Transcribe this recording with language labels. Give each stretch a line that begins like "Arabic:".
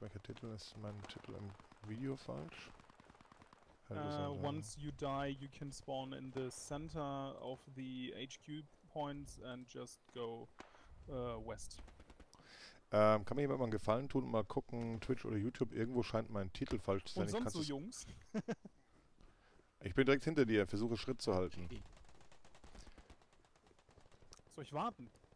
German: Welcher Titel ist mein Titel im Video falsch?
English: Once you die, you can spawn in the center of the HQ points and just go west.
German: Kann mir jemand mal einen Gefallen tun und mal gucken, Twitch oder YouTube, irgendwo scheint mein Titel falsch zu sein. Und sonst so, Jungs? Ich bin direkt hinter dir, versuche Schritt zu halten. Soll ich warten?